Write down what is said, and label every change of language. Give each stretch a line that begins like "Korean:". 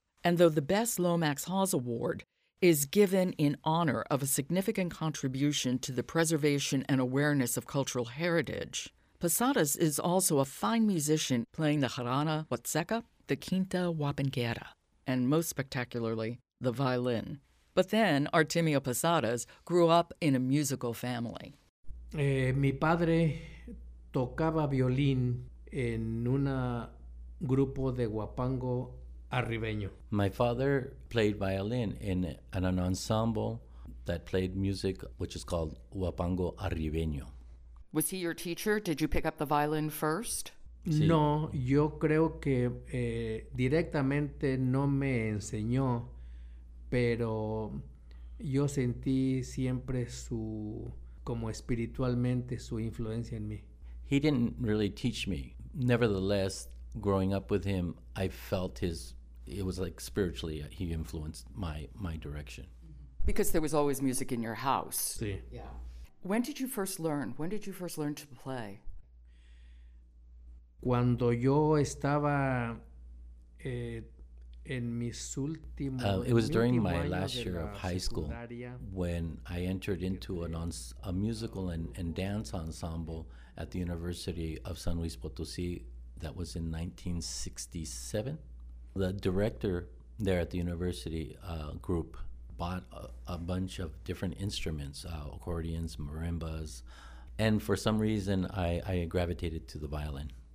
English: And though the Bess Lomax Hawes Award is given in honor of a significant contribution to the preservation and awareness of cultural heritage, Posadas is also a fine musician playing the jarana huasteca, the quinta huapanguera, and most spectacularly, the violin. But then Artemio Posadas grew up in a musical family.
Spanish: Mi padre tocaba violín en un grupo de huapango arribeño.
English: My father played violin in an ensemble that played music which is called huapango arribeño. Was he your teacher? Did you pick up the violin first?
Spanish: Sí. No, yo creo que directamente no me enseñó, pero yo sentí siempre su, como espiritualmente, su influencia en mí.
English: He didn't really teach me. Nevertheless, growing up with him, I felt his, it was like spiritually he influenced my direction. Because there was always music in your house.
Spanish: Sí.
English: Yeah. When did you first learn? When did you first learn to play?
Spanish: Cuando yo estaba en mis últimos
English: It was during my last year of high school when I entered into a musical and dance ensemble at the University of San Luis Potosí. That was in 1967. The director there at the university group bought a bunch of different instruments, accordions, marimbas, and for some reason I gravitated to the violin.